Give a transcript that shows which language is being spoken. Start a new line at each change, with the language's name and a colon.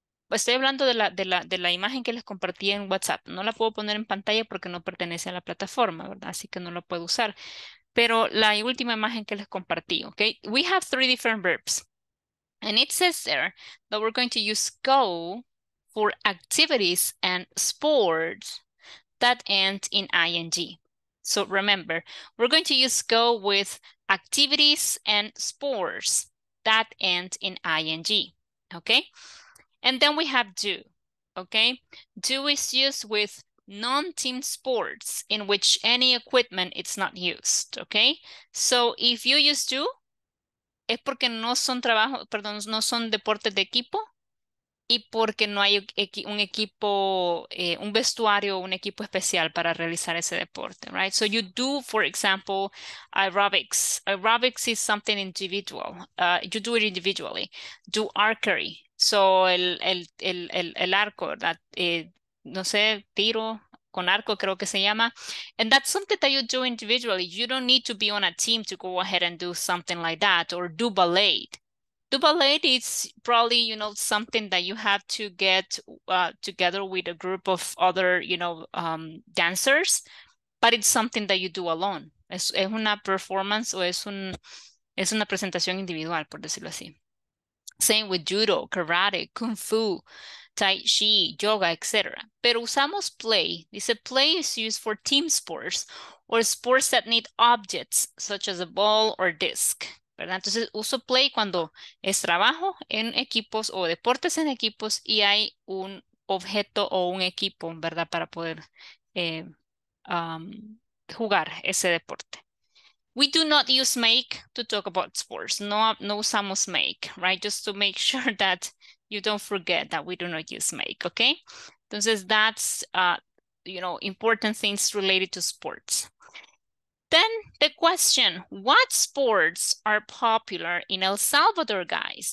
Spanish: Estoy hablando de la imagen que les compartí en WhatsApp. No la puedo poner en pantalla porque no pertenece a la plataforma, ¿verdad? Así que no la puedo usar. Pero la última imagen que les compartí, ¿ok?
English: We have three different verbs. And it says there that we're going to use go for activities and sports that end in ing. So remember, we're going to use go with activities and sports that end in ing, okay? And then we have do, okay? Do is used with non-team sports in which any equipment is not used, okay? So if you use do,
Spanish: es porque no son trabajo, perdón, no son deportes de equipo y porque no hay un equipo, un vestuario, un equipo especial para realizar ese deporte, right?
English: So you do, for example, aerobics. Aerobics is something individual. You do it individually. Do archery. So,
Spanish: el arco, ¿verdad? No sé, tiro con arco creo que se llama.
English: And that's something that you do individually. You don't need to be on a team to go ahead and do something like that or do ballet. Do ballet is probably, you know, something that you have to get together with a group of other, you know, dancers. But it's something that you do alone.
Spanish: Es una performance o es una presentación individual, por decirlo así.
English: Same with judo, karate, kung fu, tai chi, yoga, etc.
Spanish: Pero usamos play. Dice
English: play is used for team sports or sports that need objects such as a ball or disc, ¿verdad?
Spanish: Entonces uso play cuando es trabajo en equipos o deportes en equipos y hay un objeto o un equipo, ¿verdad? Para poder jugar ese deporte.
English: We do not use make to talk about sports.
Spanish: No usamos make,
English: right? Just to make sure that you don't forget that we do not use make, okay? Entonces, that's you know, important things related to sports. Then the question, what sports are popular in El Salvador, guys?